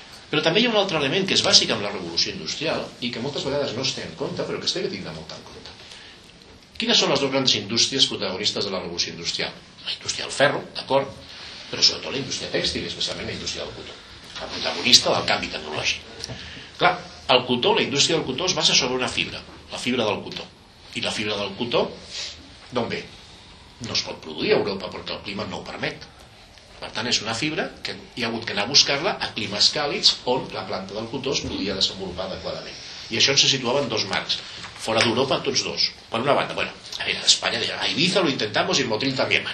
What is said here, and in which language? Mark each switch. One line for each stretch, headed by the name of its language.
Catalan: Però també hi ha un altre element que és bàsic amb la revolució industrial i que moltes vegades no es té en compte, però que s'ha de tindre molt en compte. Quines són les dues grans indústries protagonistes de la revolució industrial? La indústria del ferro, d'acord, però sobretot la indústria tèxtil, especialment la indústria del cotó, la protagonista del canvi tecnològic. Clar, el cotó, la indústria del cotó es basa sobre una fibra, la fibra del cotó. I la fibra del cotó, d'on ve? No es pot produir a Europa perquè el clima no ho permet. Per tant, és una fibra que hi ha hagut que anar a buscar-la a climes càlids on la planta del cotó es podia desenvolupar adequadament. I això ens situava en dos marcs, fora d'Europa tots dos. Per una banda, bueno, a veure, a Espanya,
Spanish: a Ibiza lo intentamos y en Motril también.